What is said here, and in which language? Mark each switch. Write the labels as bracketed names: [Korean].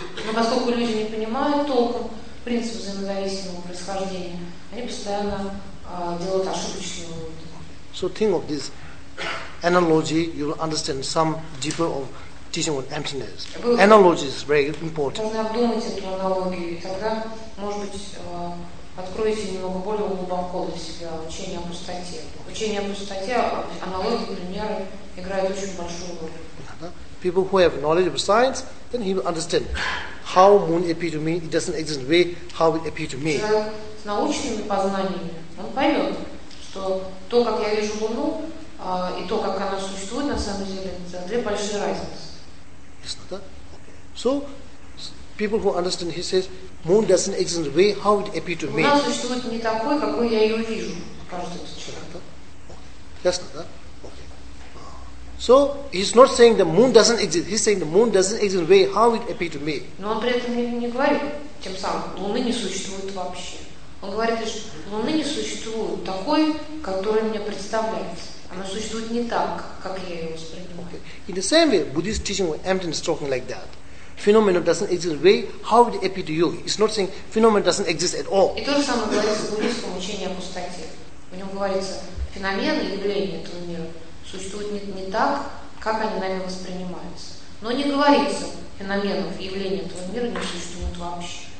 [Russian] Но поскольку люди не понимают толком. Принцип взаимозависимого происхождения. Они постоянно делают ошибочные выводы. [English] So think of this analogy, you will understand some deeper of teaching what emptiness. Analogy is very important. [Russian] Вы должны обдумать эту аналогию, и тогда, может быть, откроете немного более глубоко для себя учение о пустоте. Учение о пустоте, аналогии, примеры играют очень большую роль. [English] People who have knowledge of science, then he will understand. How moon appear to me? It doesn't exist. Way how it appear to me? [Russian] С научными познаниями он поймет, что то, как я вижу луну, и то, как она существует на самом деле, это две большие разницы. Ясно, да? [English] So people who understand, he says, moon doesn't exist. Way how it appear to me? [Russian] Луна существует не такой, какой я ее вижу, кажется. Да? Ясно, да? [English] So he's not saying the moon doesn't exist. He's saying the moon doesn't exist in the way how it appears to me. [Russian] Но он при этом не говорит тем самым, луны не существует вообще. Он говорит, что луны не существует такой, которая мне представляется. Она существует не так, как я ее воспринимаю. [English] Okay. In the same way, Buddhist teaching with emptiness talking like that. Phenomenon doesn't exist in the way how it appears to you. It's not saying phenomenon doesn't exist at all. [Russian] И то же самое говорится в буддийском учении о пустоте. В нем говорится, феномен и явление этого мира существуют не так, как они нами воспринимаются. Но не говорится феноменов, явлений этого мира не существует вообще.